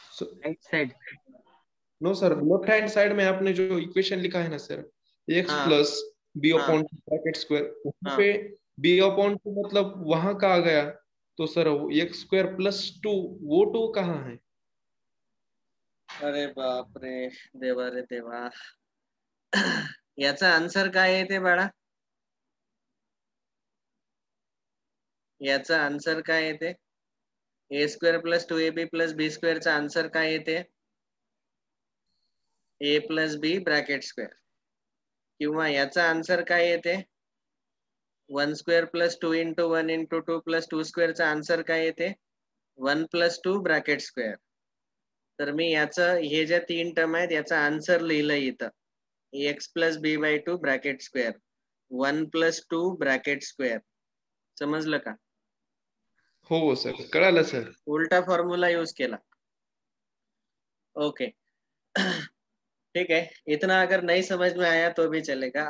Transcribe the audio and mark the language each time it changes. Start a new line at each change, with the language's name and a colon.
English: Right side?
Hindi: No sir, left hand side में आपने जो इक्वेशन लिखा है ना sir, x plus B upon bracket square, पे बी अपॉन 2 मतलब वहां का आ गया, तो सर x स्क्वायर प्लस 2 वो 2 कहाँ है?
Marathi: अरे बाप रे देवा रे देवा, याचा आंसर काय येते बाळा? याचा आंसर काय येते? a square plus 2ab plus b square चा आंसर काय येते? a plus b bracket square. किंवा याचा आंसर काय येते? 1 square plus 2 into 1 into 2 plus 2 स्क्वेअरचा answer काय येते? 1 प्लस 2 ब्रॅकेट स्क्वेअर। तर मी याचं हे जे तीन टर्म आहेत याचा आन्सर लिहिलंय इथं x plus B by two bracket square one plus two bracket square. समजलं का? हो सर, कळालं सर. उलटा फॉर्म्युला युज केला.
Hindi: ओके ठीक है, इतना अगर नहीं समझ में आया तो भी चलेगा.